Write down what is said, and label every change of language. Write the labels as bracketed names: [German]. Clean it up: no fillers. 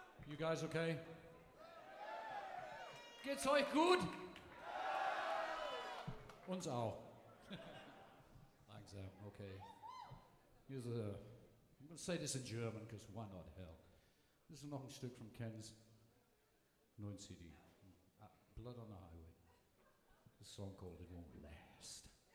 [English] You guys okay? [German] Geht's euch gut? Uns auch. Langsam, okay. [English] I'm going to say this in German, because why not hell? This is [German] noch ein Stück [English] from Ken's [German] neuen [English] CD. Blood on the Highway. This song called It Won't Last.